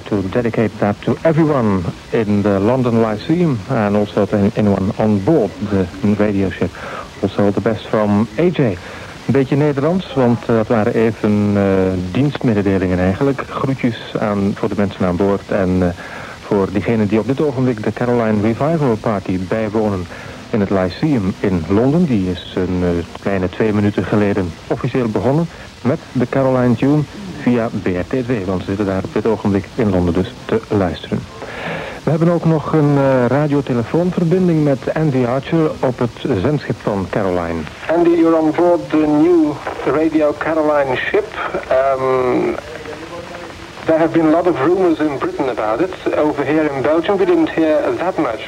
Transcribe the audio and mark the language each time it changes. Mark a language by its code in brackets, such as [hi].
[en] Dedicate that to everyone in the London Lyceum and also to anyone on board the radio ship. Also the best from AJ. [nl] Een beetje Nederlands, want dat waren even dienstmededelingen eigenlijk. Groetjes aan voor de mensen aan boord en voor diegenen die op dit ogenblik de Caroline Revival Party bijwonen in het Lyceum in Londen. Die is een kleine 2 minuten geleden officieel begonnen met de Caroline Tune. Via BRT2, want ze zitten daar op dit ogenblik in Londen dus te luisteren. We hebben ook nog een radiotelefoonverbinding met Andy Archer op het zendschip van Caroline. [en] Andy, you're on board the new Radio Caroline ship. There have been a lot of rumors in Britain about it. Over here in Belgium we didn't hear that much.